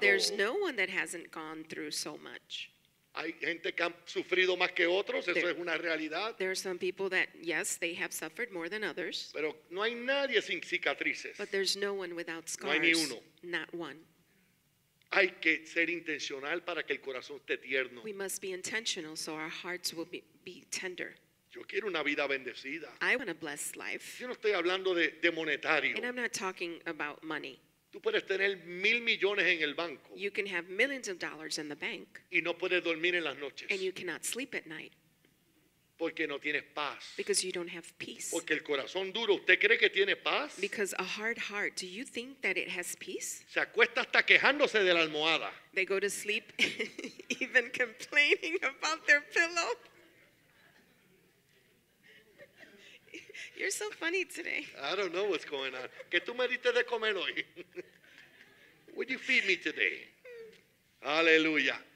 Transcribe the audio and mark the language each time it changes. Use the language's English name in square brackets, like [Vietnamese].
[English] There's no one that hasn't gone through so much. [Spanish] Hay gente que han sufrido más que otros, eso es una realidad. [English] There are some people that, yes, they have suffered more than others. [Spanish] Pero no hay nadie sin cicatrices. [English] But there's no one without scars. [Spanish] No hay ni uno. [English] Not one. [Spanish] Hay que ser intencional para que el corazón esté tierno. [English] We must be intentional so our hearts will be tender. [Spanish] Yo quiero una vida bendecida. [English] I want a blessed life. [Spanish] Yo no estoy hablando de monetario. [English] And I'm not talking about money. [Spanish] Tú puedes tener mil millones en el banco. [English] You can have millions of dollars in the bank. [Spanish] Y no puedes dormir en las noches. [English] And you cannot sleep at night. [Spanish] Porque no tienes paz. [English] Because you don't have peace. [Spanish] Porque el corazón duro, ¿usted cree que tiene paz? [English] Because a hard heart, do you think that it has peace? [Spanish] Se acuesta hasta quejándose de la almohada. [English] They go to sleep even complaining about their pillow. You're so funny today. I don't know what's going on. [Spanish] ¿Qué tú me diste de comer hoy? [English] Would you feed me today? Aleluya.